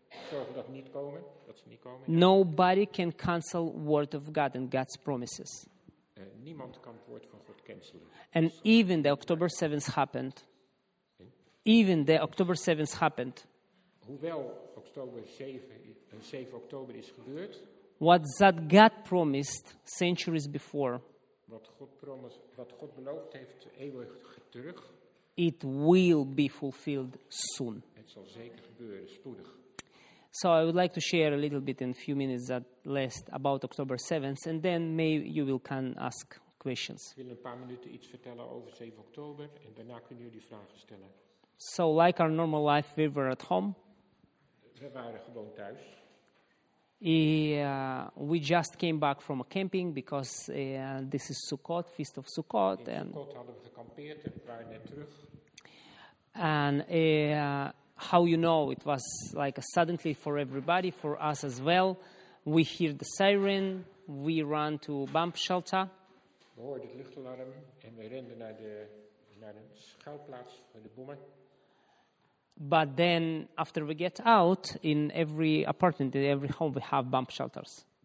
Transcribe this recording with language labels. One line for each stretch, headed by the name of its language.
Dutch: zorgen dat, niet komen, dat ze niet komen. Ja.
English: Nobody can cancel word of God and God's promises.
Dutch: Niemand kan het woord van God cancelen.
English: And even the October 7th happened. Even the October 7th happened.
Dutch: Hoewel een 7 oktober is gebeurd.
English: What that God promised centuries before.
Dutch: Wat God beloofd heeft eeuwig terug.
English: It will be fulfilled soon.
Dutch: Het zal zeker gebeuren, spoedig.
English: So I would like to share a little bit in a few minutes that last about October 7th, and then maybe you can ask questions.
Dutch: Ik wil een paar minuten iets vertellen over 7 oktober, en daarna kunnen jullie vragen stellen.
English: So like our normal life, we were at home.
Dutch: We waren gewoon thuis.
English: We just came back from a camping because this is Sukkot, Feast of Sukkot.
Dutch: In Sukkot hadden we gekampeerd en waren net terug.
English: And how you know, it was like suddenly for everybody, for us as well. We hear the siren, we run to bump shelter.
Dutch: We hoorden het luchtalarm en we renden naar de schuilplaats van de bommen.
English: But then, after we get out, in every apartment, in every home, we have bomb shelters.